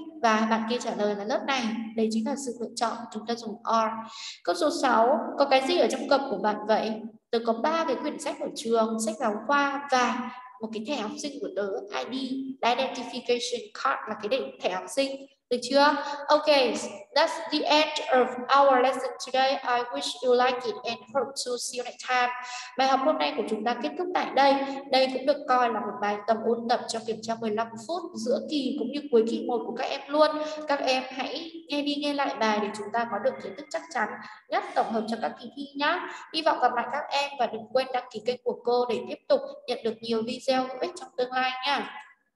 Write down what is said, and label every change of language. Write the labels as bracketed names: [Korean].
[Vietnamese] Và bạn kia trả lời là lớp này, đây chính là sự lựa chọn, chúng ta dùng are. Câu số 6, có cái gì ở trong cặp của bạn vậy? Tớ có 3 cái quyển sách ở trường, sách giáo khoa và một cái thẻ học sinh của tớ, ID, identification card là cái thẻ học sinh. Được chưa? [English] Okay, that's the end of our lesson today. I wish you like it and hope to see you next time. [Vietnamese] Bài học hôm nay của chúng ta kết thúc tại đây. Đây cũng được coi là một bài tập ôn tập cho kiểm tra 15 phút giữa kỳ cũng như cuối kỳ 1 của các em luôn. Các em hãy nghe đi nghe lại bài để chúng ta có được kiến thức chắc chắn nhất tổng hợp cho các kỳ thi nhá. Hy vọng gặp lại các em và đừng quên đăng ký kênh của cô để tiếp tục nhận được nhiều video hữu ích trong tương lai nha.